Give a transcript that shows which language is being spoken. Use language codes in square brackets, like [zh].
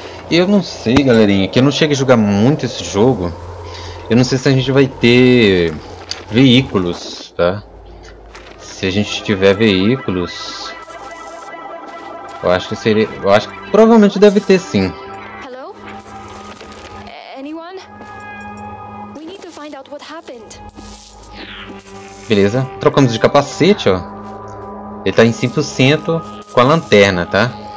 [pt] Eu não sei, galerinha, que eu não cheguei a jogar muito esse jogo. Eu não sei se a gente vai ter veículos, tá? Se a gente tiver veículos, eu acho que seria, eu acho que provavelmente deve ter sim. [en] Hello? Anyone? We need to find out what happened. [pt] Beleza, trocamos de capacete, ó. Ele tá em 100% com a lanterna, tá?